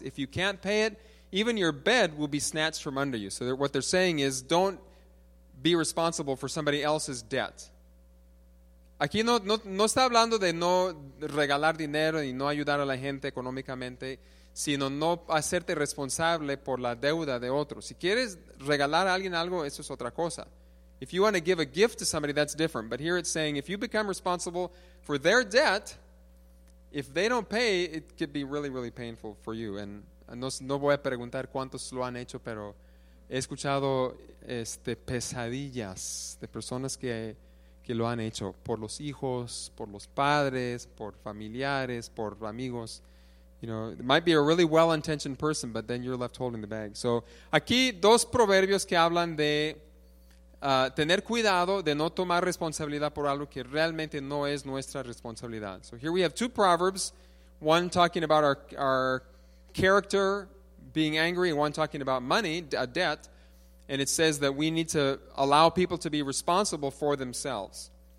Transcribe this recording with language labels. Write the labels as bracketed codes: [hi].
[en] If you can't pay it, even your bed will be snatched from under you. So what they're saying is don't be responsible for somebody else's debt. [es] Aquí no está hablando de no regalar dinero y no ayudar a la gente económicamente, sino no hacerte responsable por la deuda de otro. Si quieres regalar a alguien algo, eso es otra cosa. [en] If you want to give a gift to somebody, that's different. But here it's saying, if you become responsible for their debt, If they don't pay, it could be really, really painful for you. [es] And no voy a preguntar cuántos lo han hecho, pero he escuchado pesadillas de personas que lo han hecho por los hijos, por los padres, por familiares, por amigos. [en] You know, it might be a really well-intentioned person, but then you're left holding the bag. [es] So, aquí dos proverbios que hablan de tener cuidado de no tomar responsabilidad por algo que realmente no es nuestra responsabilidad. [en] So here we have two proverbs, one talking about our character being angry, and one talking about money, a debt, and it says that we need to allow people to be responsible for themselves.